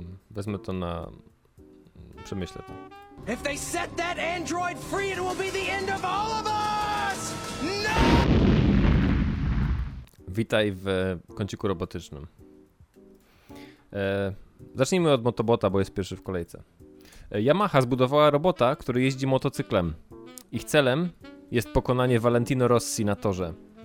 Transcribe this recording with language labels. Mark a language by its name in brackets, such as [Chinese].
[Polish] Wezmę to na przemyślę to. [English] If they set that android free, it will be the end of all of us! No! [Polish] Witaj w kąciku robotycznym. Zacznijmy od Motobota, bo jest pierwszy w kolejce. Yamaha zbudowała robota, który jeździ motocyklem. Ich celem jest pokonanie Valentino Rossi na torze.